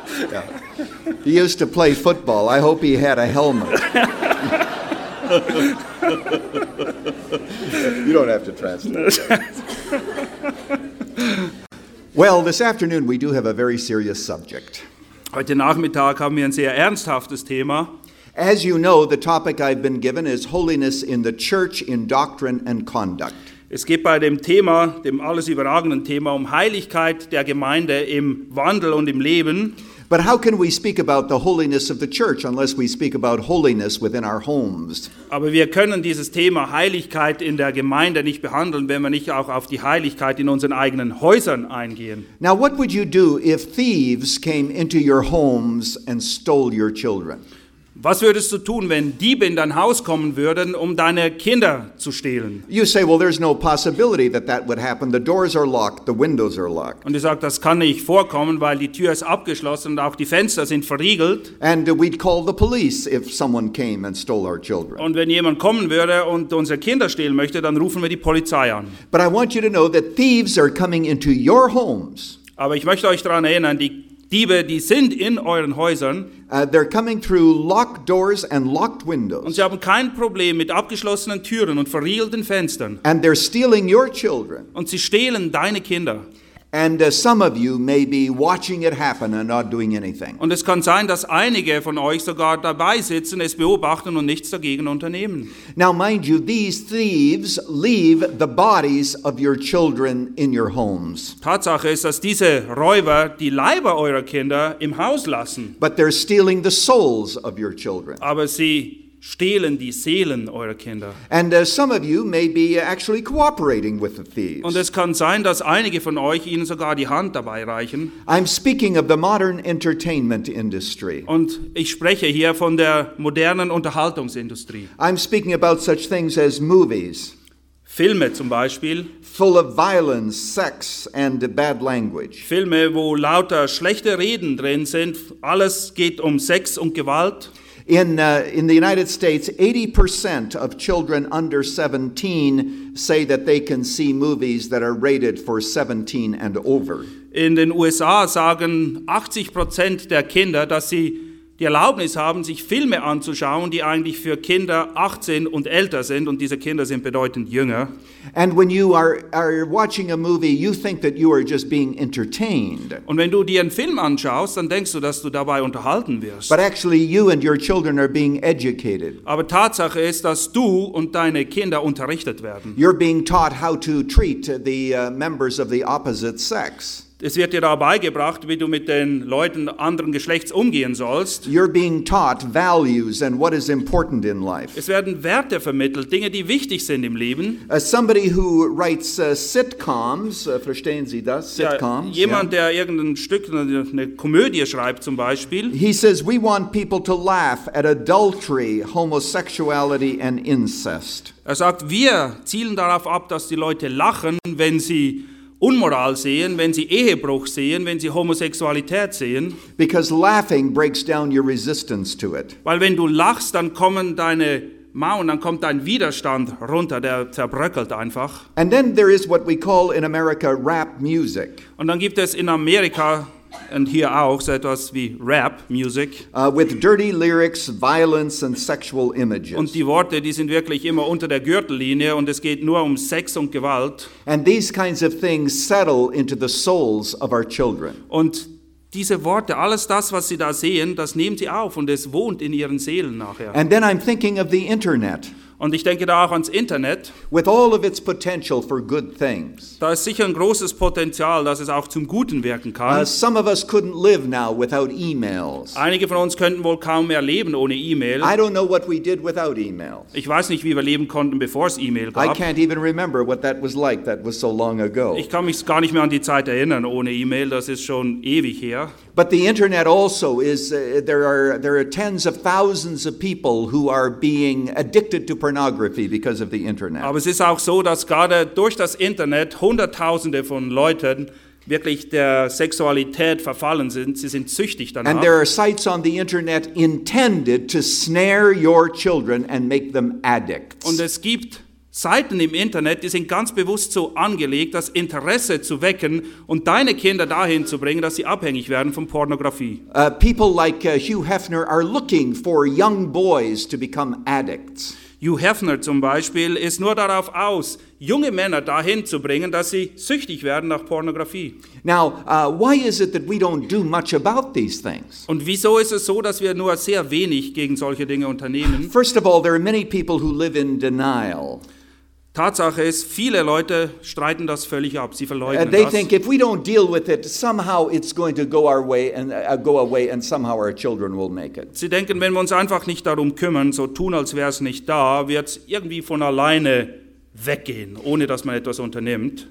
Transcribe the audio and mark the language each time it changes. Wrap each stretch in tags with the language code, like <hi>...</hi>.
<en>Yeah. He used to play football. I hope he had a helmet. You don't have to translate. Well, this afternoon we do have a very serious subject.</en> <de>Heute Nachmittag haben wir ein sehr ernsthaftes Thema.</de> <en>As you know, the topic I've been given is holiness in the church, in doctrine and conduct.</en> <de>Es geht bei dem Thema, dem alles überragenden Thema, um Heiligkeit der Gemeinde im Wandel und im Leben.</de> <en>But how can we speak about the holiness of the church unless we speak about holiness within our homes?</en> <de>Aber wir können dieses Thema Heiligkeit in der Gemeinde nicht behandeln, wenn wir nicht auch auf die Heiligkeit in unseren eigenen Häusern eingehen.</de> <en>Now what would you do if thieves came into your homes and stole your children?</en> <de>Was würdest du tun, wenn Diebe in dein Haus kommen würden, um deine Kinder zu stehlen?</de> <en>You say, well, there's no possibility that that would happen. The doors are locked, the windows are locked.</en> <de>Und ich sag, das kann nicht vorkommen, weil die Tür ist abgeschlossen und auch die Fenster sind verriegelt.</de> <en>And we'd call the police if someone came and stole our children.</en> <de>Und wenn jemand kommen würde und unsere Kinder stehlen möchte, dann rufen wir die Polizei an.</de> <en>But I want you to know that thieves are coming into your homes.</en> <de>Aber ich möchte euch daran erinnern, die Diebe, die sind in euren Häusern.</de> <en>They're coming through locked doors and locked windows.</en> <de>Und sie haben kein Problem mit abgeschlossenen Türen und verriegelten Fenstern.</de> <en>And they're stealing your children.</en> <de>Und sie stehlen deine Kinder.</de> <en>And some of you may be watching it happen and not doing anything.</en> <de>Und es kann sein, dass einige von euch sogar dabei sitzen, es beobachten und nichts dagegen unternehmen.</de> <en>Now mind you, these thieves leave the bodies of your children in your homes.</en> <de>Tatsache ist, dass diese Räuber die Leiber eurer Kinder im Haus lassen.</de> <en>But they're stealing the souls of your children.</en> <de>Aber sie stehlen die Seelen eurer Kinder.</de> <en>And some of you may be actually cooperating with the thieves.</en> <de>Und es kann sein, dass einige von euch ihnen sogar die Hand dabei reichen.</de> <en>I'm speaking of the modern entertainment industry.</en> <de>Und ich spreche hier von der modernen Unterhaltungsindustrie.</de> <en>I'm speaking about such things as movies.</en> <de>Filme zum Beispiel.</de> <en>Full of violence, sex and bad language.</en> <de>Filme, wo lauter schlechte Reden drin sind. Alles geht um Sex und Gewalt.</de> <en>In the United States, 80% of children under 17 say that they can see movies that are rated for 17 and over.</en> <de>In den USA sagen 80% der Kinder, dass sie die Erlaubnis haben, sich Filme anzuschauen, die eigentlich für Kinder 18 und älter sind, und diese Kinder sind bedeutend jünger.</de> <en>And when you are watching a movie, you think that you are just being entertained.</en> <de>Und wenn du dir einen Film anschaust, dann denkst du, dass du dabei unterhalten wirst.</de> <en>But actually you and your children are being educated.</en> <de>Aber Tatsache ist, dass du und deine Kinder unterrichtet werden.</de> <en>You're being taught how to treat the members of the opposite sex.</en> <de>Es wird dir dabei gebracht, wie du mit den Leuten anderen Geschlechts umgehen sollst.</de> <en>You're being taught values and what is important in life.</en> <de>Es werden Werte vermittelt, Dinge, die wichtig sind im Leben.</de> <en>Somebody who writes sitcoms,</en> <de>verstehen Sie das?</de> <en>Sitcoms.</en> <de>Ja, jemand, yeah. Der irgendein Stück, eine Komödie schreibt zum Beispiel.</de> <en>He says we want people to laugh at adultery, homosexuality and incest.</en> <de>Er sagt, wir zielen darauf ab, dass die Leute lachen, wenn sie Unmoral sehen, wenn sie Ehebruch sehen, wenn sie Homosexualität sehen.</de> <en>Because laughing breaks down your resistance to it.</en> <de>Weil wenn du lachst, dann kommen deine Mauern, dann kommt dein Widerstand runter, der zerbröckelt einfach.</de> <en>And then there is what we call in America rap music.</en> <de>Und dann gibt es in Amerika und hier auch so etwas wie rap music.</de> <en>With dirty lyrics, violence and sexual images.</en> <de>Und die Worte, die sind wirklich immer unter der Gürtellinie und es geht nur um Sex und Gewalt.</de> <en>And these kinds of things settle into the souls of our children.</en> <de>Und diese Worte, alles das, was sie da sehen, das nehmen sie auf und es wohnt in ihren Seelen nachher.</de> <en>And then I'm thinking of the internet.</en> <de>Und ich denke da auch ans Internet.</de> <en>With all of its potential for good things.</en> <de>Da ist sicher ein großes Potenzial, dass es auch zum Guten wirken kann.</de> <en>Some of us couldn't live now without emails.</en> <de>Einige von uns könnten wohl kaum mehr leben ohne E-Mail.</de> <en>I don't know what we did without emails.</en> <de>Ich weiß nicht, wie wir leben konnten, bevor es E-Mail gab.</de> <en>I can't even remember what that was like. That was so long ago.</en> <de>Ich kann mich gar nicht mehr an die Zeit erinnern ohne E-Mail. Das ist schon ewig her.</de> <en>But the internet also is there are tens of thousands of people who are being addicted to pornography because of the internet.</en> <de>Aber es ist auch so, dass gerade durch das Internet hunderttausende von Leuten wirklich der Sexualität verfallen sind. Sie sind süchtig danach.</de> <en>And there are sites on the internet intended to snare your children and make them addicts.</en> <de>Und es gibt Seiten im Internet, die sind ganz bewusst so angelegt, das Interesse zu wecken und deine Kinder dahin zu bringen, dass sie abhängig werden von Pornografie.</de> <en>People like Hugh Hefner are looking for young boys to become addicts.</en> <de>Hugh Hefner zum Beispiel ist nur darauf aus, junge Männer dahin zu bringen, dass sie süchtig werden nach Pornografie.</de> <en>Now, why is it that we don't do much about these things?</en> <de>Und wieso ist es so, dass wir nur sehr wenig gegen solche Dinge unternehmen?</de> <en>First of all, there are many people who live in denial.</en> <de>Tatsache ist, viele Leute streiten das völlig ab. Sie verleugnen das.</de> <en>They think if we don't deal with it, somehow it's going to go our way and go away, and somehow our children will make it.</en> <de>Sie denken, wenn wir uns einfach nicht darum kümmern, so tun, als wäre es nicht da, wird es irgendwie von alleine weggehen, ohne dass man etwas unternimmt.</de>